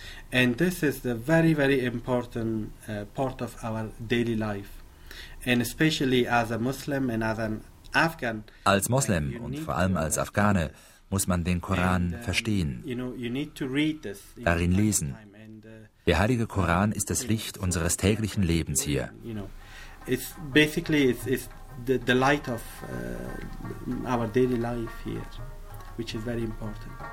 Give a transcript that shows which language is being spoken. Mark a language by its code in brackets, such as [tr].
[en] And this is the very, very important part of our daily life. And especially as a Muslim and as an Afghan. [de] Als Moslem und vor allem als Afghane muss man den Koran verstehen. [en] You know, you need to read this. [de] Darin lesen. Der heilige Koran ist das Licht unseres täglichen Lebens hier. [en] You know, it's basically it's the light of our daily life here, which is very important.